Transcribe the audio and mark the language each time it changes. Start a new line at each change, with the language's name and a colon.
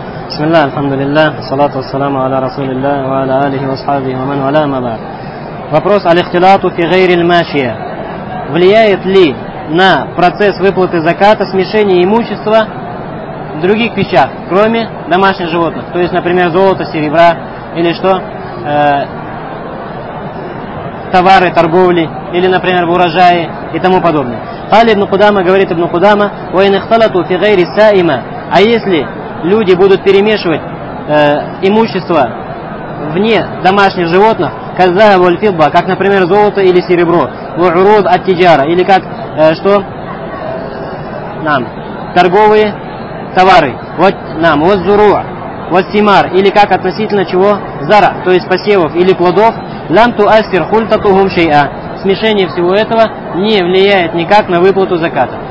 Arabic: بسم الله الحمد لله والصلاة والسلام على رسول الله وعلى آله وصحبه ومن ولا ما بعد.
Russian: Вопрос о
Arabic: الاختلاط في غير الماشية.
Russian: Влияет ли на процесс выплаты заката смешение имущества в других вещах, кроме домашних животных? То есть, например, золото, серебра или что? Товары, торговли или, например, урожаи и тому подобное.
Arabic: قال ابن قدامة,
Russian: говорит
Arabic: ابن قدامة, وإن اختلطوا في غير السائمة.
Russian: А если люди будут перемешивать имущество вне домашних животных,
Arabic: казаву аль-фидда,
Russian: как, например, золото или серебро,
Arabic: уруд ат-тиджара,
Russian: или как, что, нам, торговые товары, вот нам, вот зуруа, вот симар, или как относительно чего, зара, то есть посевов или плодов,
Arabic: лам ту асфир хультатугум шей'а,
Russian: смешение всего этого не влияет никак на выплату заката.